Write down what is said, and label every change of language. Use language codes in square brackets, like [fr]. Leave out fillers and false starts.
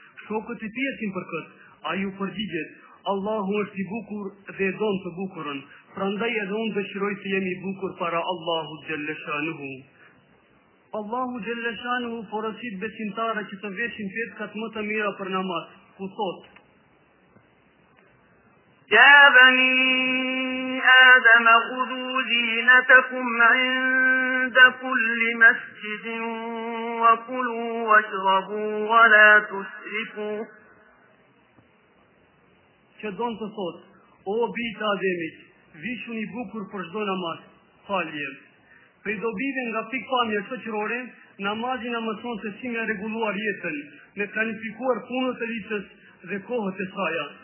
[sq] Shokët i pjesin për këtë, a ju përgjigjet, Allahu është i bukur dhe do në të bukurën, prandaj edhe unë dëshiroj të jemi bukur para Allahu Gjellëshanuhu. Allahu Gjellëshanuhu forësit besimtare që të veshin petkat më të mira për namaz, ku thotë, [ar] يا بني آدم خذوا زينتكم عند كل مسجد وكلوا واشربوا ولا تسرفوا. [sq] Çdon të thot, o bita ademit, vishuni bukur për çdo namaz, falje. Për dobive nga pikpamje shoqërore, namazi na mëson se si me rregulluar jetën, me planifikuar punët e ditës dhe kohët e saj,